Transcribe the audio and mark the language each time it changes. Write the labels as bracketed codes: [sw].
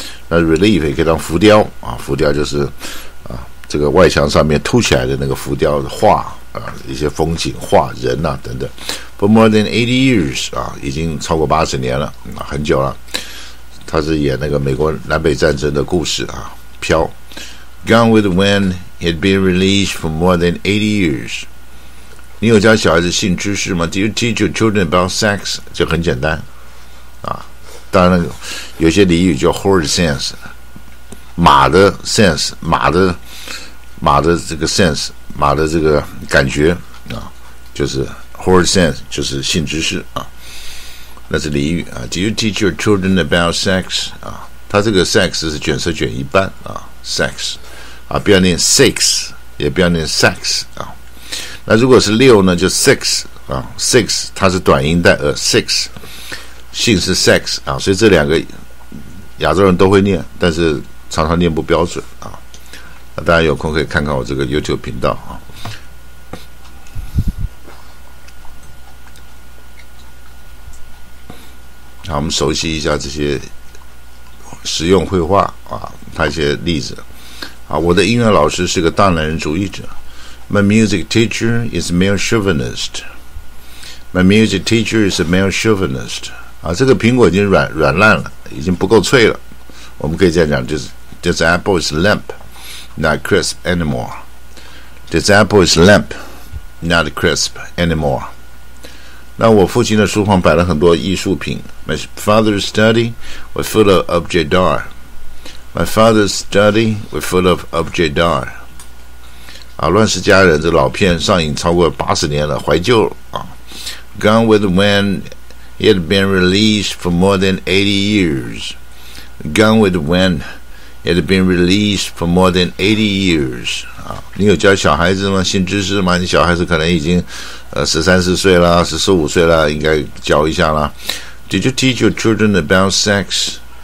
[zh] 那 relief 也可以当浮雕啊，浮雕就是啊，这个外墙上面凸起来的那个浮雕画啊，一些风景画人啊等等。 [en] For more than 80 years [zh] 啊，已经超过80年了、很久了。他是演那个美国南北战争的故事啊，飘。 [en] Gone with the Wind had been released for more than 80 years。 [zh] 你有教小孩子性知识吗 [en] ？Do you teach your children about sex？ [zh] 就很简单啊。当然，有些俚语叫 horse sense， 马的 sense， 马的这个 sense， 马的这个感觉啊，就是。 Horse sense 就是性知识啊，那是俚语啊。 [en] Do you teach your children about sex 啊？ [zh] 他这个 sex 是卷舌卷一半啊 ，sex 啊，不要念 six， 也不要念 sex 啊。那如果是六呢，就 six 啊 ，six 它是短音带six， 性是 sex 啊，所以这两个亚洲人都会念，但是常常念不标准啊。那大家有空可以看看我这个 YouTube 频道啊。好，我们熟悉一下这些实用绘画啊，他一些例子啊。我的音乐老师是个大男人主义者。 [en] My music teacher is male chauvinist. My music teacher is a male chauvinist. [zh] 啊，这个苹果已经软烂了，已经不够脆了。我们可以这样讲，就是 [en] This apple is limp, not crisp anymore. This apple is limp, not crisp anymore. [zh] 那我父亲的书房摆了很多艺术品。 [en] My father's study was full of objet d'art. My father's study was full of objet d'art. [zh] 啊，乱世佳人这老片上映超过80年了，怀旧啊。 [en] Gone with the wind, it had been released for more than 80 years. Gone with the wind, it had been released for more than 80 years. [zh] 啊，你有教小孩子吗？新知识吗？你小孩子可能已经。 13、14岁啦，14、15岁啦，应该教一下啦。 [en] Did you teach your children about sex?